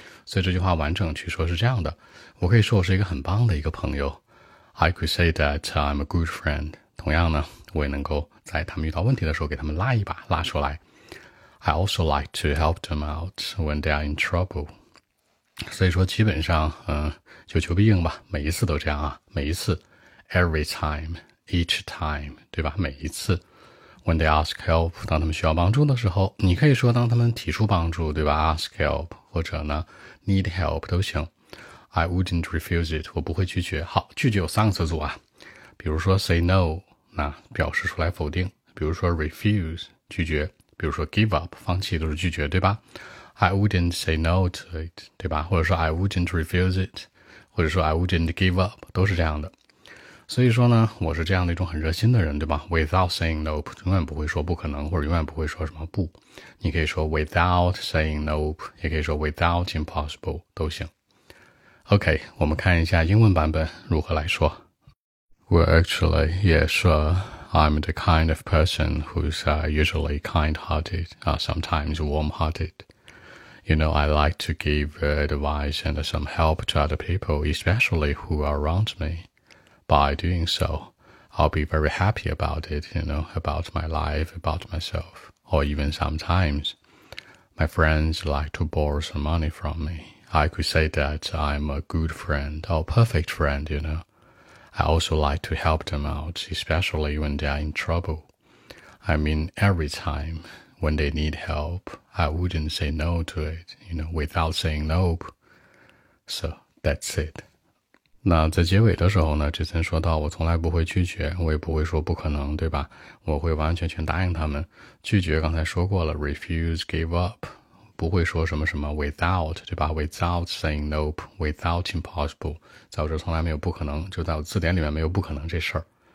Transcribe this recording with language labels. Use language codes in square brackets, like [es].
[zh] 所以这句话完整去说是这样的。我可以说我是一个很棒的一个朋友。 [en] I could say that I'm a good friend. [zh] 同样呢，我也能够在他们遇到问题的时候给他们拉一把，拉出来。 [en] I also like to help them out when they are in trouble. [zh] 所以说基本上就求必应吧，每一次都这样啊，每一次 [en] every time, each time, [zh] 对吧，每一次 [en] when they ask help, [zh] 当他们需要帮助的时候，你可以说当他们提出帮助，对吧， ask help, 或者呢 [en] need help [zh] 都行。 [en] I wouldn't refuse it, [zh] 我不会拒绝。好，拒绝有三个词组啊，比如说 say no, 那表示出来否定，比如说 refuse, 拒绝，比如说 give up, 放弃，都是拒绝，对吧。 [en] I wouldn't say no to it, [zh] 对吧？或者说 [en] I wouldn't refuse it, [zh] 或者说 [en] I wouldn't give up, [zh] 都是这样的。所以说呢，我是这样的一种很热心的人，对吧？ [en] Without saying nope, [zh] 永远不会说不可能，或者永远不会说什么不。你可以说 [en] without saying nope, [zh] 也可以说 [en] without impossible, [zh] 都行。 OK, 我们看一下英文版本如何来说。 [en] Well, actually, yeah, sure. I'm the kind of person who's usually kind-hearted, sometimes warm-hearted. You know, I like to give advice and some help to other people, especially who are around me. By doing so, I'll be very happy about it, you know, about my life, about myself, or even sometimes. My friends like to borrow some money from me. I could say that I'm a good friend, or perfect friend, you know. I also like to help them out, especially when they're in trouble. I mean, every time when they need help, I wouldn't say no to it, you know, without saying nope. So, that's it. [zh] 那在结尾的时候呢，之前说到我从来不会拒绝，我也不会说不可能，对吧？我会完全全答应他们。拒绝刚才说过了 ,refuse, give up, 不会说什么什么 without, 对吧 ? [en] without saying nope, without impossible, [zh] 在我这从来没有不可能，就在我字典里面没有不可能这事儿。